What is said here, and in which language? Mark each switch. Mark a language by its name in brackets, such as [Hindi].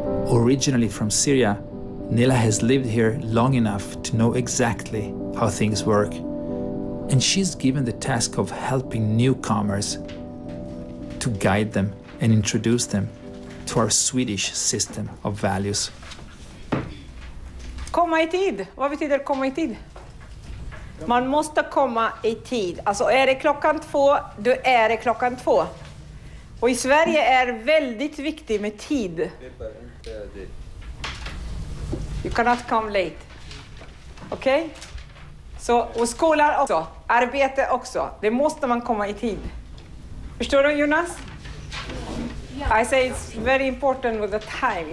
[English] Originally from Syria, Nela has lived here long enough to know exactly how things work. And she's given the task of helping newcomers to guide them and introduce them to our Swedish system of values. [Swedish] Komma i tid. Vad betyder komma i tid? Man måste komma i tid. Alltså är det klockan 2, då är det klockan 2. Och i Sverige är väldigt viktig med tid. [English] You cannot come late. Okej? Okay? [Swedish] Så, och skolan också. Arbete också. Det måste man komma i tid. Förstår du, Jonas? [English] I say it's very important with the time.